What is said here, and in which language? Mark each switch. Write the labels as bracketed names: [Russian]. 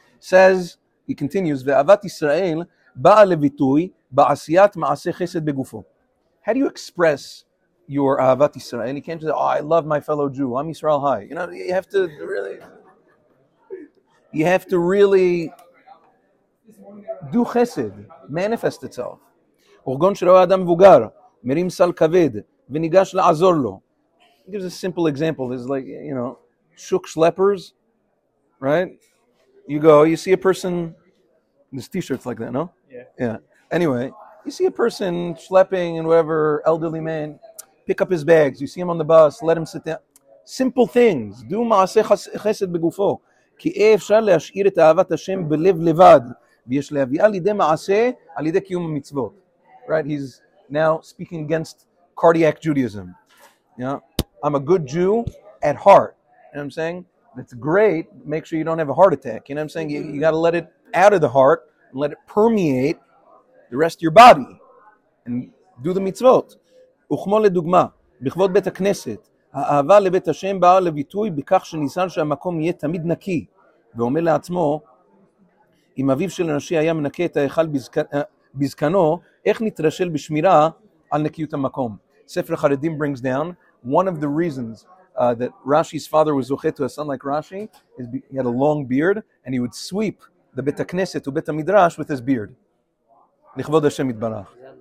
[English] Says, he continues, [Hebrew] Ve'avat Yisrael ba'a levitui ba'asiyat ma'aseh chesed begufo. [English] How do you express your Ahavat Yisrael? You can't just say, oh, I love my fellow Jew. I'm Yisrael high. You know, you have to really, you have to really do chesed, manifest itself. [Hebrew] אורגון שרואה אדם מבוגר, מרים סל כבד, וניגש לעזור לו. [English] He gives a simple example. It's like, you know, shuk schleppers, right? You go, you see a person, this t-shirt's like that, no? Yeah. Yeah. Anyway, you see a person schlepping and whatever, elderly man, pick up his bags, you see him on the bus, let him sit down. Simple things. [Hebrew] Do מעשה חסד בגופו. כי אי אפשר להשאיר את אהבת השם בלב לבד, ויש להביאה לידי מעשה על ידי קיום המצוות. [English] Right, he's now speaking against cardiac Judaism. Yeah, I'm a good Jew at heart. know what I'm saying? That's great. Make sure you don't have a heart attack. You know what I'm saying? You got to let it out of the heart and let it permeate the rest of your body and do the mitzvot. [Hebrew] וכמו לדוגמה, בכבוד בית הכנסת, האהבה לבית השם באה לביטוי בכך שניסן שהמקום יהיה תמיד נקי, ואומר לעצמו, אם אביו של הנשיא היה מנקה את ההיכל בזקנו, איך נתרשל בשמירה על נקיות המקום? [English] ספר חרדים brings down one of the reasons that Rashi's father was zochet to a son like Rashi, is he had a long beard, and he would sweep the בית הכנסת ובית המדרש with his beard. [Hebrew] לכבוד השם יתברך.